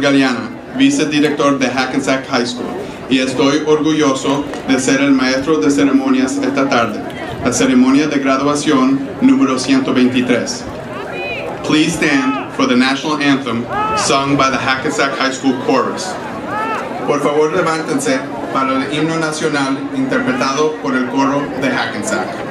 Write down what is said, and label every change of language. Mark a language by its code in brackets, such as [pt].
[es] Galliana, Vice Director de Hackensack High School, y estoy orgulloso de ser el Maestro de Ceremonias esta tarde, la ceremonia de graduación número 123. [en] Please stand for the National Anthem sung by the Hackensack High School Chorus. [es] Por favor, levántense para el himno nacional interpretado por el coro de Hackensack.